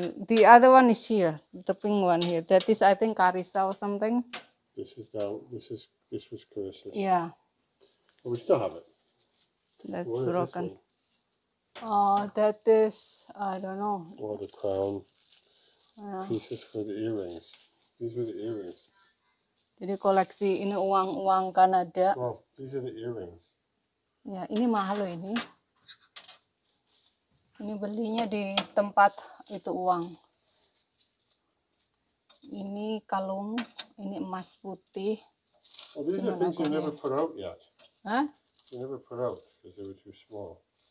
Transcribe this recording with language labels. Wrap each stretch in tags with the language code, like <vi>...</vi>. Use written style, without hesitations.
<en>The other one is here, the pink one here. That is I think Carissa or something. This was Carissa. Yeah. But we still have it. That's what broken. That is, I don't know. Well, the crown pieces for the earrings. These were the earrings.</en> <id>Jadi koleksi ini uang-uang Kanada.</id> <en>Oh, these are the earrings.</en> <id>Ya, ini mahal loh ini. Ini belinya di tempat itu uang. Ini kalung, ini emas putih.</id> <en>Oh, these are things you never put out yet. Hah? You never put out because they were too small.</en>